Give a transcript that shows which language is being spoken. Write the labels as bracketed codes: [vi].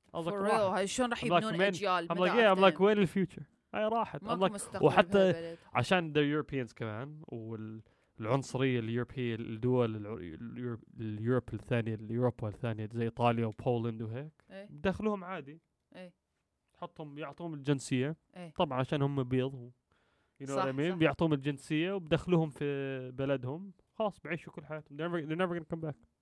[ar] هاي شلون راح يبنون اجيال [en] I'm like yeah I'm like where the future [ar] هاي راحت ماكو مستقبل وحتى عشان [en] the Europeans [ar] كمان والعنصرية اليوروبية الدول اليوروب الثانية اليوروبا الثانية زي ايطاليا وبولندا وهيك دخلوهم عادي حطهم يعطوهم الجنسية طبعا عشان هم بيض بيعطوهم الجنسية وبدخلوهم في بلدهم خلاص بعيشوا كل حياتهم [en] they're never gonna come back